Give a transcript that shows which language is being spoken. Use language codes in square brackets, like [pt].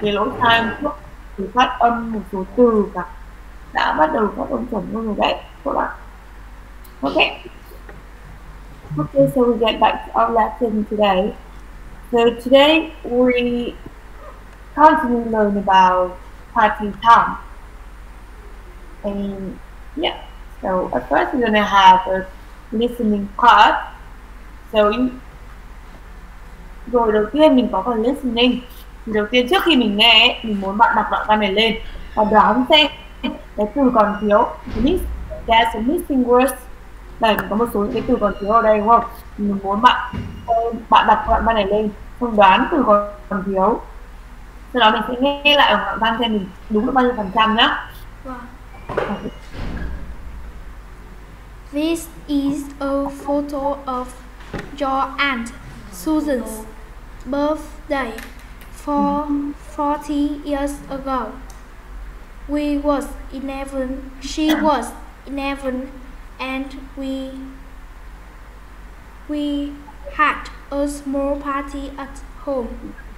[vi] Cái lỗi sai thì phát âm một số từ cả. Đã bắt đầu phát âm chuẩn luôn rồi đấy, các bạn. Okay. [en] Okay, so we get back to our lesson today. So today we constantly learn about Patty Tom. And yeah, so at first we're going to have a listening part. [vi] So rồi đầu tiên mình có phần listening. Đầu tiên trước khi mình nghe, mình muốn bạn đọc đoạn văn này lên và đoán xem cái từ còn thiếu. [en] There's a missing words. [vi] Đây, có một số những cái từ còn thiếu ở đây đúng không? Mình muốn bạn đọc đoạn văn này lên, không đoán từ còn thiếu. Sau đó mình sẽ nghe lại ở đoạn văn xem mình đúng được bao nhiêu phần trăm nhá. [en] This is a photo of your aunt Susan's birthday 40 years ago. She was 11 and we had a small party at home.